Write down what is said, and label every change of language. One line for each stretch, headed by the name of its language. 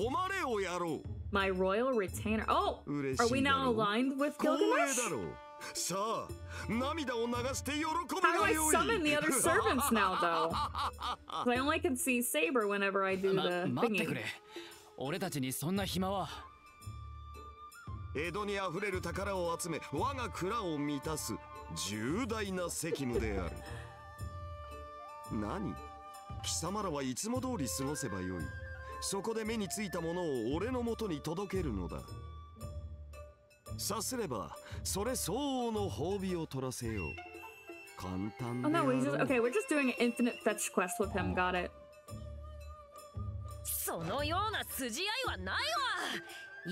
Japanese: 宮本伊織だ。では喜べ。宮本伊織よ。こたびの褒美として貴様らには王の手足となる誉れをやろう。My
English: royal retainer. Oh, are we now aligned with Gilgamesh?
Japanese: さあ、涙を流して喜ぶがよい。
English: How do I summon the other servants now though? I only can see Saber whenever I do the thingy.
Japanese: 待ってくれ。俺たちにそんな暇は。江戸にあふれる宝を集め、我が蔵を満たす重大な責務である。何？貴様らはいつも通り過ごせばよい。そこで目についたものを俺の元に届けるのだ。さすれば、それ相応の褒美を取らせよう。簡単である。そのような筋合いはないわ。